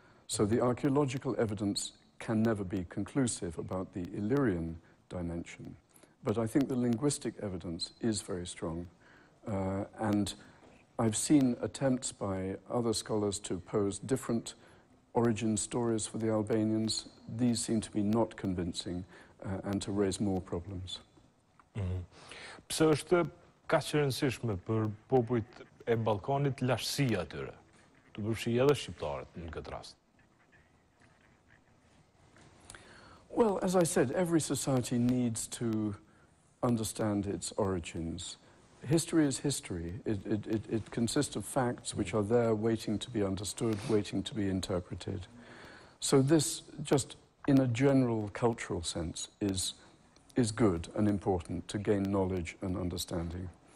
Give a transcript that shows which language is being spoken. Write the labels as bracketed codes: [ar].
[en] So the archaeological evidence can never be conclusive about the Illyrian dimension, but I think the linguistic evidence is very strong. And I've seen attempts by other scholars to pose different origin stories for the Albanians. These seem to be not convincing and to raise more problems. [sq] Pse është kaq e rëndësishme për popujt e Ballkanit lashësia e tyre, të përfshijë edhe shqiptarët në këtë rast? [en] Well, as I said, every society needs to understand its origins. History is history. It consists of facts which are there waiting to be understood, waiting to be interpreted. So this, just in a general cultural sense, is good and important to gain knowledge and understanding.